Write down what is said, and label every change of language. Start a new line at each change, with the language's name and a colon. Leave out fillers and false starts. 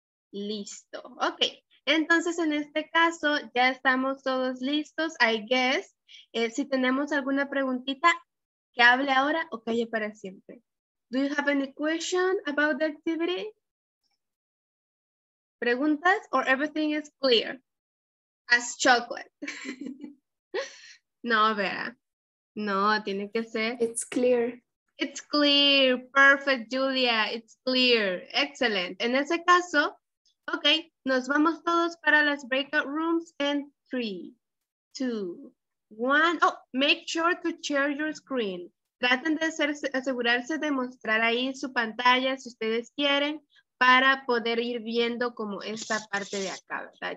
Spanish: Listo. Ok. Entonces, en este caso, ya estamos todos listos,
English: I guess.
Spanish: Si tenemos alguna preguntita, que hable ahora o calle para siempre.
English: Do you have any question about the activity?
Spanish: ¿Preguntas
English: or everything is clear? As chocolate. No, Vera.
Spanish: No, tiene que ser.
English: It's clear. It's clear. Perfect, Julia. It's clear. Excellent.
Spanish: En ese caso, ok, nos vamos todos para las breakout rooms en 3, 2.
English: One, oh, make sure to share your screen.
Spanish: Traten de asegurarse de mostrar ahí su pantalla si ustedes quieren para poder ir viendo como esta parte de acá, ¿verdad?